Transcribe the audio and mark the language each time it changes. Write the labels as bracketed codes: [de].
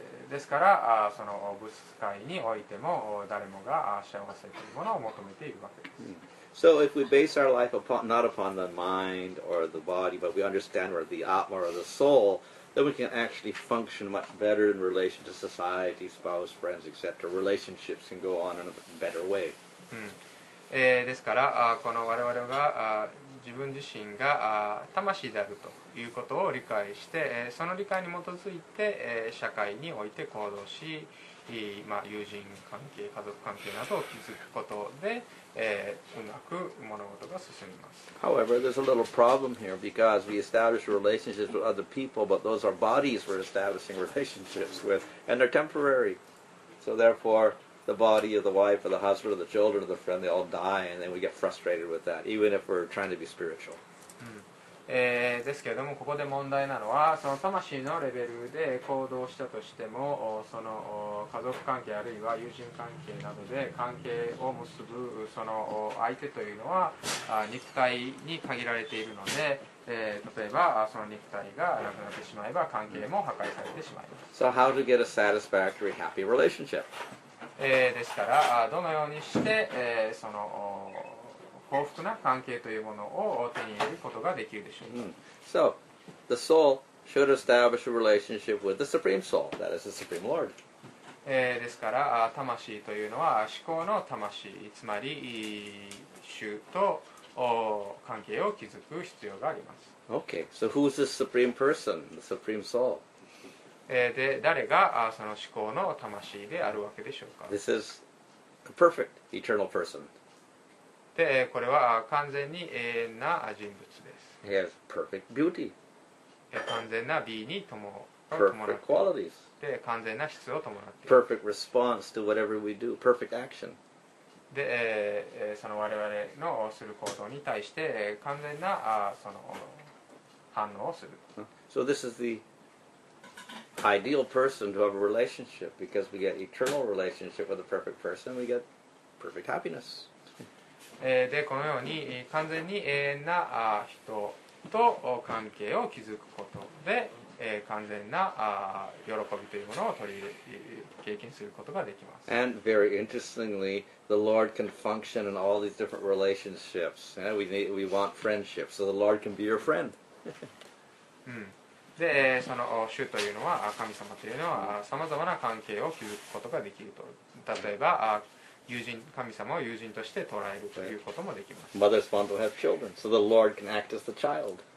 [ja] ですからその物質界においても誰もが幸せというものを求めているわけです。 [en] So if we base our life upon, not upon the mind or the body, but we understand we're the atma or the soul, then we can actually function much better in relation to society, spouse, friends, etc. Relationships can go on in a better way. [ja] ですからこの我々が自分自身が魂であるということを理解してその理解に基づいて社会において行動し、まあ、友人関係家族関係などを築くことでうまく物事が進みます。 [en] However, there's a little problem here because we establish relationships with other people but those are bodies we're establishing relationships with and they're temporary. So therefore,The body of the wife, or the husband, or the children, or the friend, they all die, and then we get frustrated with that, even if we're trying to be spiritual. [ja] ですけれども、ここで問題なのは、その魂のレベルで行動したとしても、その家族関係あるいは友人関係などで関係を結ぶその相手というのは、肉体に限られているので、例えばその肉体がなくなってしまえば、関係も破壊されてしまいます。 [en] So how to get a satisfactory, happy relationship? [ja] ですからどのようにして、その幸福な関係というものを手に入れることができるでしょうか。 [en] So, the soul should establish a relationship with the Supreme Soul, that is the Supreme Lord. [ja] ですから魂というのは思考の魂、つまり主と関係を築く必要があります。 [en] Okay, so who's the supreme person, the supreme soul? [ja] で誰がその思考の魂であるわけでしょうか。 [en] This is a perfect eternal person. [ja] でこれは完全に永遠な人物です。 [en] He has perfect beauty. [ja] 完全な美に伴う。 [en] Perfect qualities. [ja] で完全な質を伴っています [en] 。 Perfect response to whatever we do. Perfect action. [ja] でその我々のする行動に対して完全なその反応をする。 [en] So this is the ideal person to have a relationship because we get eternal relationship with a perfect person, we get perfect happiness. [ja] でこのように完全に永遠な人と関係を築くことで完全な喜びというものを取り入れ経験することができます。 [en] And very interestingly, the Lord can function in all these different relationships. We want friendship, so the Lord can be your friend. [ja] で、その主というのは神様というのはさまざまな関係を築くことができると。例えば友人、神様を友人として捉えるということもできます。 [en] Mothers want to have children, so the Lord can act as the child.